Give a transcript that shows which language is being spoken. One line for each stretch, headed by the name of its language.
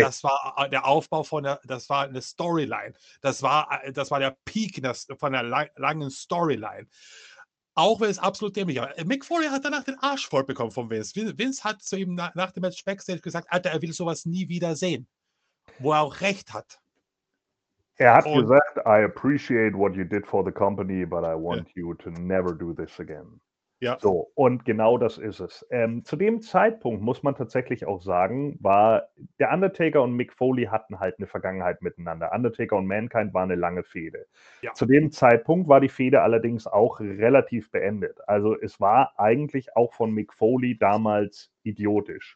German: Das war der Aufbau das war eine Storyline. Das war der Peak von der langen Storyline. Auch wenn es absolut dämlich war. Mick Foley hat danach den Arsch voll bekommen von Vince. Vince hat zu ihm nach dem Match Backstage gesagt, Alter, er will sowas nie wieder sehen. Wo er auch recht hat. Er hat gesagt,
English: I appreciate what you did for the company, but I want you to never do this again.
German: Ja. So, und genau das ist es. Zu dem Zeitpunkt, muss man tatsächlich auch sagen, war der Undertaker und Mick Foley hatten halt eine Vergangenheit miteinander. Undertaker und Mankind war eine lange Fehde. Ja. Zu dem Zeitpunkt war die Fehde allerdings auch relativ beendet. Also es war eigentlich auch von Mick Foley damals idiotisch.